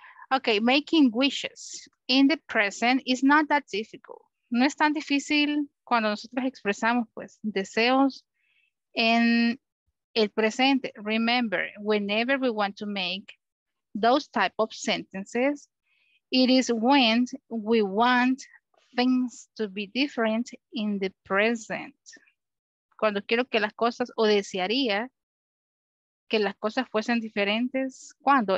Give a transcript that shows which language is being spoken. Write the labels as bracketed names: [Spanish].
[English] Okay, making wishes in the present is not that difficult. [Spanish] No es tan difícil cuando nosotros expresamos, pues, deseos en el presente. [English] Remember, whenever we want to make those type of sentences, it is when we want things to be different in the present. [Spanish] Cuando quiero que las cosas, o desearía que las cosas fuesen diferentes, ¿cuándo?